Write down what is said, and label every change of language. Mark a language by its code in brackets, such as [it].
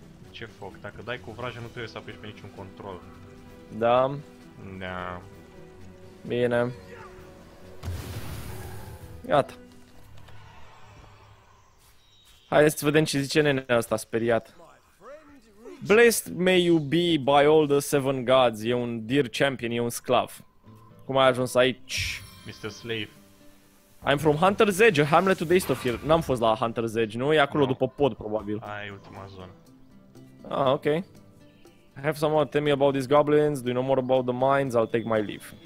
[ro] Ce foc? Dacă dai cu vraja nu trebuie să apeși pe niciun control. Da. Da. Bine. Iată. Hai să vedem ce zice nenea asta, speriat. [en] Blessed may you be by all the seven gods. [ro] E un dear champion, e un sclav. Cum ai ajuns aici? [en] Mr. Slave. I'm from Hunter's Edge, a hamlet to the east of here. [ro] N-am fost la Hunter's Edge, nu? E acolo, no. După pod, probabil. Aia e ultima zonă. Ah, ok. [en] I have someone tell me about these goblins, do you know more about the mines, I'll take my leave.